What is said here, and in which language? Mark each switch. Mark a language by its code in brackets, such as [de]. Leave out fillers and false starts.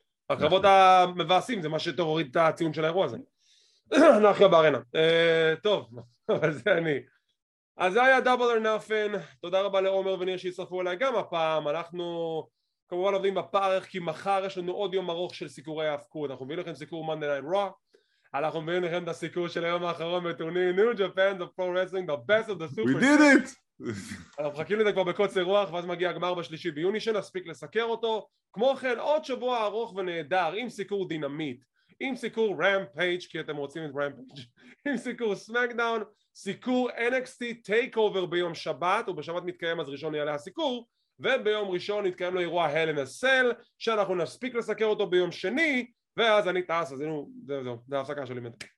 [he] הקרבות המבאסים, זה מה שאתה הוריד את הציון של האירוע הזה. נחיה בארנה. טוב, אבל זה אני. אז זה היה Double or Nothing. תודה רבה לעומר וניר שהצטרפו אליי גם הפעם. אנחנו כמובן עובדים בפרך, כי מחר יש לנו עוד יום ארוך של סיקורי ההפקות. אנחנו מביאים לכם סיקור Monday Night Raw. אנחנו מביאים לכם את הסיקור של היום האחרון בטורניר New Japan, the pro wrestling, the best of the super. [en] We did it! [he] אנחנו מחכים לזה כבר בקוצר רוח, ואז מגיע הגמר בשלישי ביוני שנספיק לסקר אותו. כמו כן, עוד שבוע ארוך ונהדר, עם סיקור דינמיט, עם סיקור רמפייג' כי אתם רוצים את רמפייג', עם סיקור סמקדאון, סיקור NXT טייקאובר ביום שבת, ובשבת מתקיים אז ראשון יעלה הסיקור, וביום ראשון יתקיים לו אירוע Hell in a Cell, שאנחנו נספיק לסקר אותו ביום שני, ואז אני טס, אז הנה, זהו, זה ההפסקה שלי מנת.